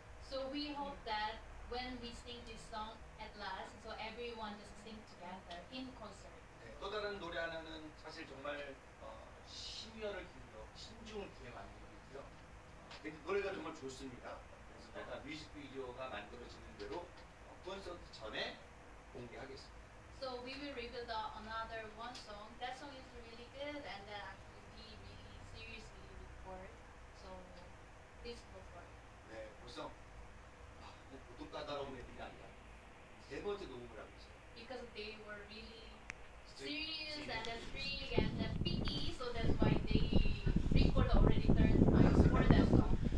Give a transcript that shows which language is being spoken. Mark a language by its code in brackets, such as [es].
[en] So we hope that when we sing this song at last, so everyone just sing together in concert. [ko] 또 다른 노래 하나는 사실 정말 심혈을 기울여 신중을 기울여 만든 거고요. 근데 노래가 정말 좋습니다. 그래서 내가 뮤직비디오가 만들어지는 대로 콘서트 전에 공개하겠습니다. [en] So we will reveal another one song. That song is really good, and then we really seriously record. So please go for it. [ko] 네, 벌써 보통 까다로운 애들이 아니라 세 번째 녹음을 하고 있어요. [en] Because they were really serious and the freak and the picky, so that's why they record already third time for that song.